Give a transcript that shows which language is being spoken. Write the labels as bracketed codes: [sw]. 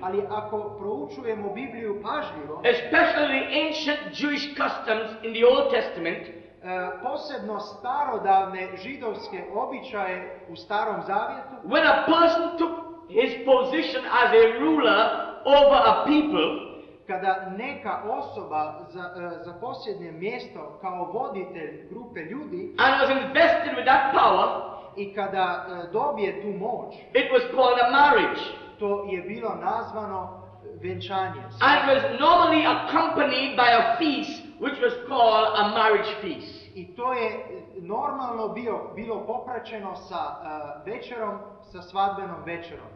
[bs] ali ako proučujemo Bibliju pažljivo, [en] especially ancient Jewish customs in the Old Testament, [bs] posebno starodavne židovske običaje u Starom zavjetu, [en] when a person took his position as a ruler over a people, [bs] kada neka osoba zaposjedne mjesto kao voditelj grupe ljudi, [en] and was invested with that power, [bs] i kada dobije tu moć, [en] it was called a marriage. [bs] To je bilo nazvano venčanje. [en] And was normally accompanied by a feast, which was called a marriage feast. [bs] I to je normalno bilo popraćeno sa večerom, sa svadbenom večerom.